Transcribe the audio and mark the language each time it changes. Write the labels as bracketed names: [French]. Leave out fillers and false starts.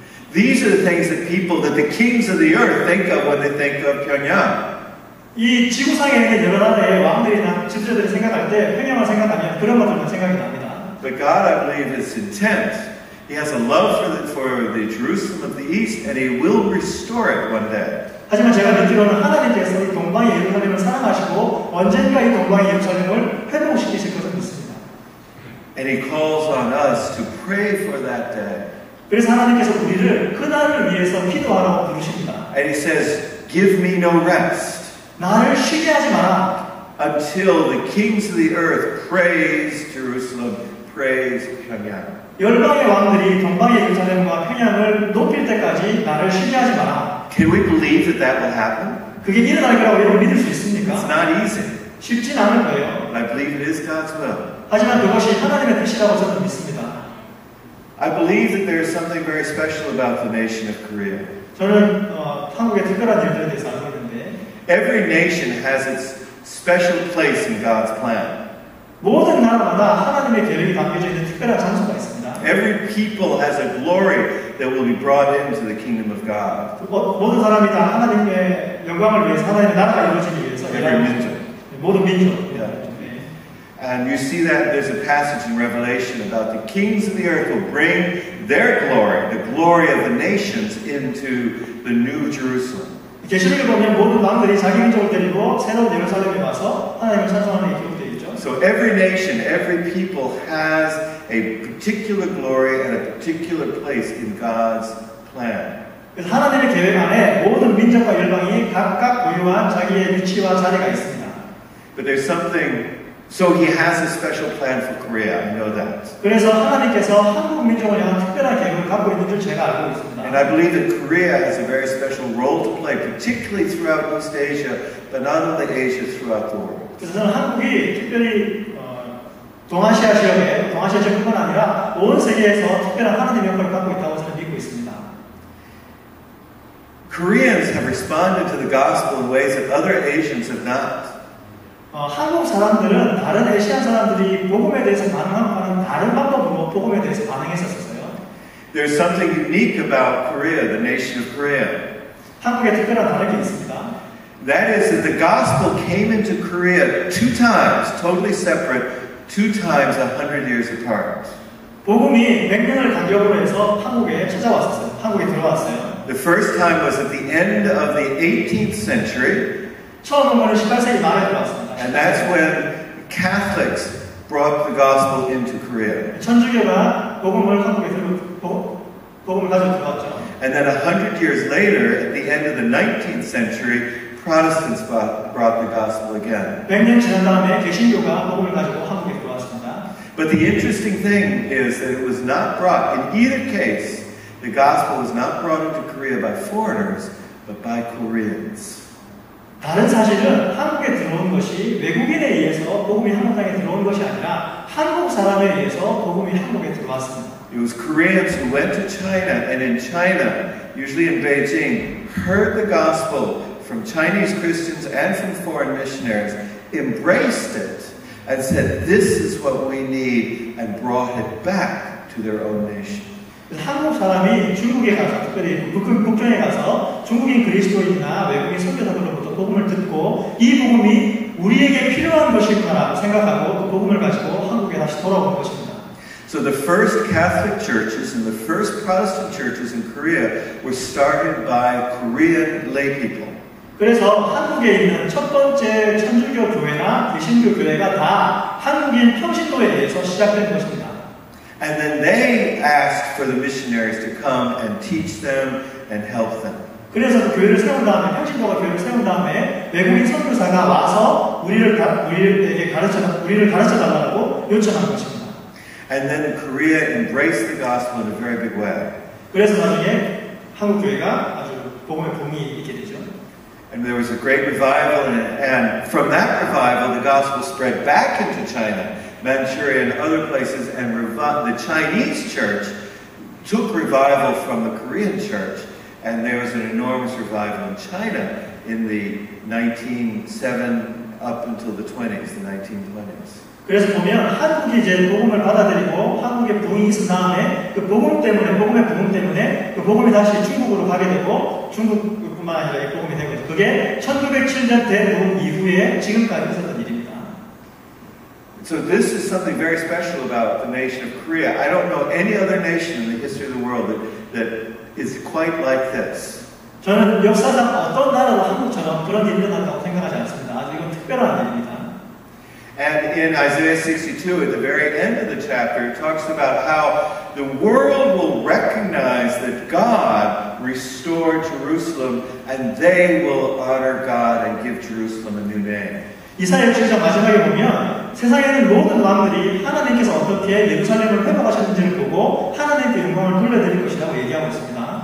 [English] These are the things that people, that the kings of the earth think of when they think of Pyongyang. [Korean] 이 지구상에 있는 여러 나라의 왕들이나 지도자들이 생각할 때 평양을 생각하면 그런 것들만 생각이 납니다. [English] But God, I believe, is intent. He has a love for the Jerusalem of the East, and He will restore it one day. [Korean] 하지만 제가 믿기로는 하나님께서 이 동방의 예루살렘을 사랑하시고 언젠가 이 동방의 예루살렘을 회복시키실 것을 믿습니다. [English] And He calls on us to pray for that day. [Korean] 그래서 하나님께서 우리를 그 날을 위해서 기도하라고 부르십니다. [English] And He says, "Give me no rest." [Korean] 나를 쉬게 하지 마라. [English] Until the kings of the earth praise Jerusalem, praise Pyongyang. [Korean] 열방의 왕들이 동방의 예루살렘과 평양을 높일 때까지 나를 쉬게 하지 마라. [English] Can we believe that that will happen? [Korean] 그게 일어날 거라고 여러분 믿을 수 있습니까? [English] It's not easy. [Korean] 쉽진 않을 거예요. [English] I believe it is God's will. [Korean] 하지만 그것이 하나님의 뜻이라고 저는 믿습니다. [English] I believe that there is something very special about the nation of Korea. [Korean] 저는 한국의 특별한 일들에 대해서 알고 있는데. [English] Every nation has its special place in God's plan. [Korean] 모든 나라마다 하나님의 계획이 담겨져 있는 특별한 장소가 있습니다. [English] Every people has a glory that will be brought into the kingdom of God. [Korean] 모든 사람이 다 하나님의 영광을 위해 하나님의 나라가 이루어지기 위해서 [English] every [Korean] 민족. 모든 민족. [English] And you see that there's a passage in Revelation about the kings of the earth will bring their glory, the glory of the nations, into the new Jerusalem. [Korean] 계시록에 보면 모든 왕들이 자기 민족을 데리고 새로운 예루살렘에 와서 하나님을 찬송하는 기록이 되어 있죠. [English] So every nation, every people has a particular glory and a particular place in God's plan. [Korean] 하나님의 계획 안에 모든 민족과 열방이 각각 고유한 자기의 위치와 자리가 있습니다. [English] But there's something. So He has a special plan for Korea. I know that. [Korean] 그래서 하나님께서 한국 민족을 향한 특별한 계획을 갖고 있는 줄 제가 알고 있습니다. [English] And I believe that Korea has a very special role to play, particularly throughout East Asia, but not only Asia, throughout the world. [Korean] 그래서 한국이 특별히 동아시아 지역에 동아시아 지역뿐만 아니라 온 세계에서 특별한 하나님의 역할을 갖고 있다고 저는 믿고 있습니다. [English] Koreans have responded to the gospel in ways that other Asians have not. [Korean] 한국 사람들은 다른 아시아 사람들이 복음에 대해서 반응하는 다른 방법으로 복음에 대해서 반응했었어요. [English] There's something unique about Korea, the nation of Korea. [Korean] 한국에 특별한 다른 게 있습니다. [English] That is that the gospel came into Korea two times, totally separate. Two times 100 years apart. [Korean] 복음이 100년을 간격으로 해서 한국에 찾아왔어요. 한국에 들어왔어요. [English] The first time was at the end of the 18th century. [Korean] 처음 오는 18세기 말에 들어왔습니다. [English] And that's when Catholics brought the gospel into Korea. [Korean] 천주교가 복음을 한국에 복음을 가지고 들어왔죠. [English] And then 100 years later, at the end of the 19th century. Protestants brought the gospel again. [Korean] 100년 지난 다음에 개신교가 복음을 가지고 한국에 들어왔습니다. [English] But the interesting thing is that it was not brought in either case. The gospel was not brought into Korea by foreigners, but by Koreans. [Korean] 다른 사실은 한국에 들어온 것이 외국인에 의해서 복음이 한국 땅에 들어온 것이 아니라 한국 사람에 의해서 복음이 한국에 들어왔습니다. [English] It was Koreans who went to China, and in China, usually in Beijing, heard the gospel. From Chinese Christians and from foreign missionaries, embraced it and said, "This is what we need," and brought it back to their own nation. [Korean] 한국 사람이 중국에 가서 특별히 북경에 가서 중국인 그리스도인이나 외국인 선교사들로부터 복음을 듣고 이 복음이 우리에게 필요한 것일까 생각하고 그 복음을 가지고 한국에 다시 돌아온 것입니다. [English] So the first Catholic churches and the first Protestant churches in Korea were started by Korean lay people. [Korean] 그래서 한국에 있는 첫 번째 천주교 교회나 개신교 교회가 다 한국인 평신도에 의해서 시작된 것입니다. [English] And then they asked for the missionaries to come and teach them and help them. [Korean] 그래서 교회를 세운 다음에 평신도가 교회를 세운 다음에 외국인 선교사가 와서 우리를 가르쳐 달라고 요청한 것입니다. [English] And then Korea embraced the gospel in a very big way. [Korean] 그래서 나중에 한국 교회가 아주 복음의 봉이 있게 되죠. [English] And there was a great revival, and from that revival, the gospel spread back into China, Manchuria, and other places, and the Chinese church took revival from the Korean church, and there was an enormous revival in China in the 1907 up until the 20s, the 1920s. [Korean] 그래서 보면 한국이 이제 복음을 받아들이고 한국에 부흥이 있은 다음에 그 복음 때문에 복음의 부흥 때문에 그 복음이 다시 중국으로 가게 되고 중국뿐만 아니라 이 복음이 되고 그게 1907년 대 복음 이후에 지금까지 있었던 일입니다. [English] So this is something very special about the nation of Korea. I don't know any other nation in the history of the world that is quite like this. [Korean] 저는 역사상 어떤 나라도 한국처럼 그런 일이 일어났다고 생각하지 않습니다. 아주 이건 특별한 일입니다. [English] And in Isaiah 62, at the very end of the chapter, it talks about how the world will recognize that God restored Jerusalem, and they will honor God and give Jerusalem a new name. [Korean] 이사야 7장 마지막에 보면 세상에는 모든 왕들이 하나님께서 어떻게 예루살렘을 회복하셨는지를 보고 하나님께 영광을 돌려드릴 것이라고 얘기하고 있습니다.